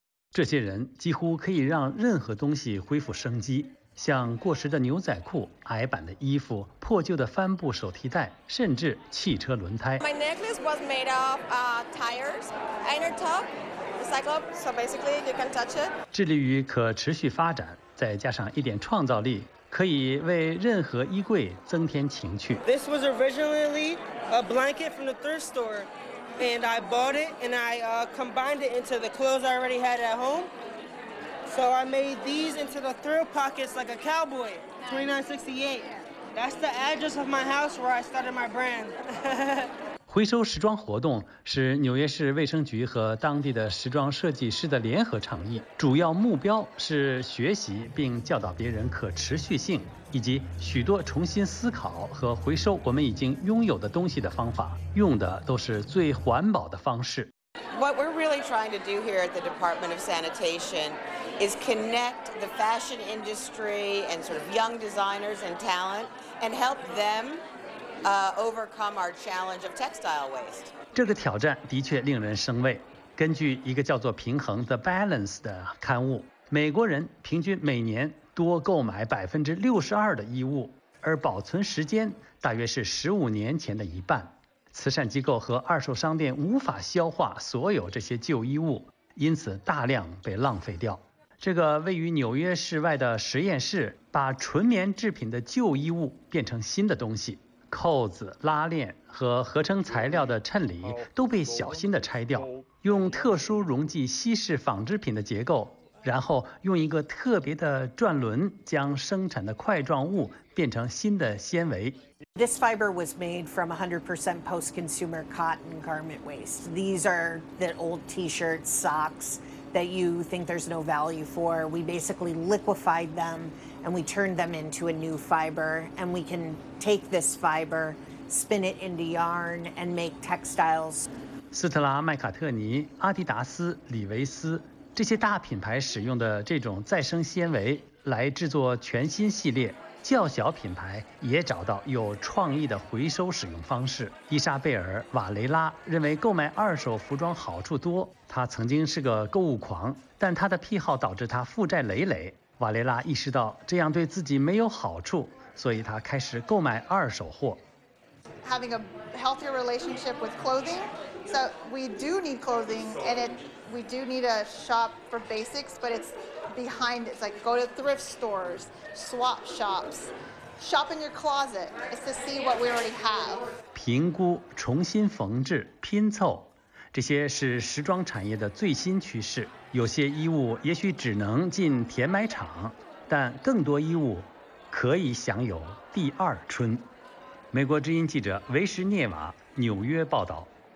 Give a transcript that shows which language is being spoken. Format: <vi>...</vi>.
<zh>这些人几乎可以让任何东西恢复生机，像过时的牛仔裤、矮版的衣服、破旧的帆布手提袋，甚至汽车轮胎。</zh> <en>My necklace was made of tires, inner tub, recycled. So basically, you can touch it.</en> <zh>致力于可持续发展，再加上一点创造力。可以为任何衣柜增添情趣。</zh> <en>This was originally a blanket from the thrift store, and I bought it and I combined it into the clothes I already had at home. So I made these into the thrill pockets like a cowboy. 2968. That's the address of my house where I started my brand.</en> <zh>回收时装活动是纽约市卫生局和当地的时装设计师的联合倡议，主要目标是学习并教导别人可持续性，以及许多重新思考和回收我们已经拥有的东西的方法，用的都是最环保的方式。</zh> <en>What we're really trying to do here at the Department of Sanitation is connect the fashion industry and sort of young designers and talent and help them. Overcome our challenge of textile waste.</en> <zh>这个挑战的确令人生畏。根据一个叫做《平衡》The Balance 的刊物，美国人平均每年多购买62%的衣物，而保存时间大约是15年前的一半。慈善机构和二手商店无法消化所有这些旧衣物，因此大量被浪费掉。这个位于纽约市外的实验室，把纯棉制品的旧衣物变成新的东西。扣子、拉链和合成材料的衬里都被小心地拆掉，用特殊溶剂稀释纺织品的结构，然后用一个特别的转轮将生产的块状物变成新的纤维。</zh> <en>This fiber was made from 100% post-consumer cotton garment waste. These are the old T-shirts, socks that you think there's no value for. We basically liquefied them. And we turned them into a new fiber, and we can take this fiber, spin it into yarn, and make textiles.</en> <zh>斯特拉、麦卡特尼、阿迪达斯、李维斯这些大品牌使用的这种再生纤维来制作全新系列，较小品牌也找到有创意的回收使用方式。伊莎贝尔·瓦雷拉认为购买二手服装好处多，她曾经是个购物狂，但她的癖好导致她负债累累。瓦雷拉意识到这样对自己没有好处，所以他开始购买二手货。</zh> <en>Having a healthier relationship with clothing, so we do need clothing, and we do need a shop for basics, but it's behind. It's like go to thrift stores, swap shops, shop in your closet. It's to see what we already have.</en> <zh>评估、重新缝制、拼凑，这些是时装产业的最新趋势。有些衣物也许只能进填埋场，但更多衣物可以享有第二春。美国之音记者维什涅瓦，纽约报道。</zh>